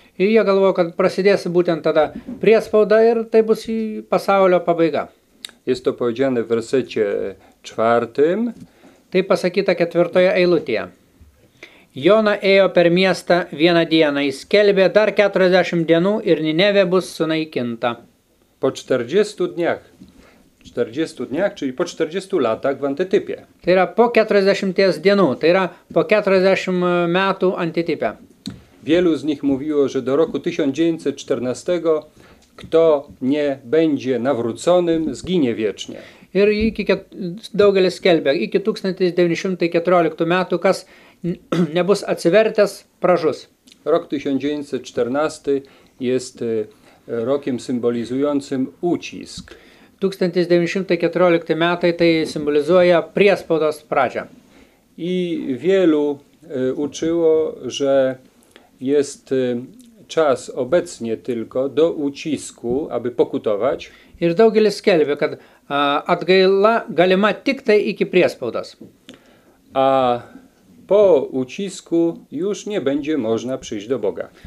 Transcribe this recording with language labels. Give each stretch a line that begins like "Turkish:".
Lithuanian: I jie galvojo, kad prasidės būtent tada priespauda ir tai bus i pasaulio pabaiga.
Polish: Jest to powiedziane w wersecie 4.
Lithuanian: Tai pasakyta ketvirtoje eilutėje. Jona ėjo per miestą vieną dieną, jis skelbė dar 40 dienų ir Ninevė bus sunaikinta.
Polish: Po 40 dniach, czyli po 40 latach w antytypie.
Lithuanian: Tai yra po 40 dienų, tai yra po 40 metų antytype.
Polish: Wielu z nich mówiło, że do roku 1914 kto nie będzie nawróconym, zginie wiecznie.
Lithuanian: Ir iki daugelis skelbė, iki 1914 metų, kas nebus atsivertęs, pražus.
Polish: Rok 1914 jest rokiem symbolizującym ucisk.
Lithuanian: 1914 metai tai symbolizuoja priespaudos pradžią.
Polish: I wielu uczyło, że jest czas obecnie tylko do ucisku, aby pokutować.
Lithuanian: Ir daugelis skelbė, kad atgaila galima tik tai iki priespaudos.
Polish: A po ucisku już nie będzie można przyjść do Boga.